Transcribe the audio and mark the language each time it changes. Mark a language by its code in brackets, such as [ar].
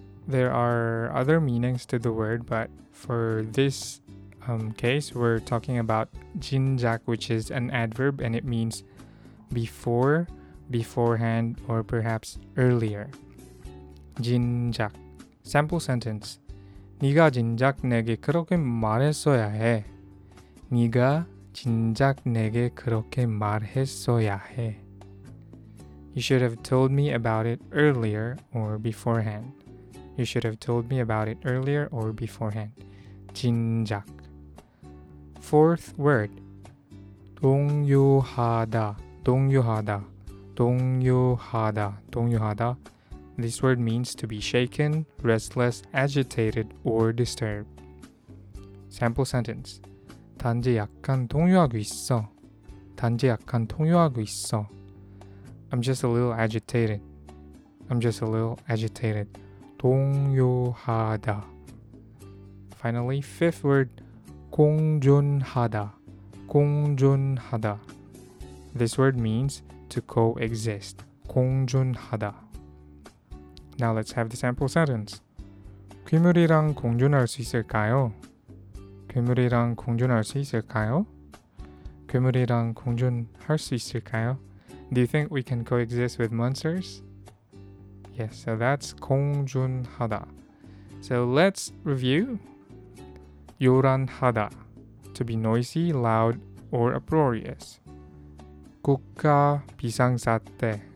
[en] there are other meanings to the word, but for this case, we're talking about 진작, which is an adverb, and it means before, beforehand, or perhaps earlier. 진작. Sample sentence. [ko] 네가 진작 내게 그렇게 말했어야 해. 네가 진작 내게 그렇게 말했어야 해. [en] You should have told me about it earlier or beforehand. You should have told me about it earlier or beforehand. 진작. Fourth word. [ko] 동요하다. 동요하다. 동요하다. 동요하다. [en] This word means to be shaken, restless, agitated, or disturbed. Sample sentence. [ko] 단지 약간 동요하고 있어. 단지 약간 동요하고 있어. [en] I'm just a little agitated. I'm just a little agitated. [ko] 동요하다. [en] Finally, fifth word. [ko] 공존하다. 공존하다. [en] This word means to coexist. [ko] 공존하다. [en] Now let's have the sample sentence. [ko] 괴물이랑 공존할 수 있을까요? 괴물이랑 공존할 수 있을까요? 괴물이랑 공존할 수 있을까요? [en] Do you think we can coexist with monsters? Yes, so that's 공존하다. So let's review. [ko] 요란하다. [en] To be noisy, loud, or uproarious. [ko] 국가 비상사태.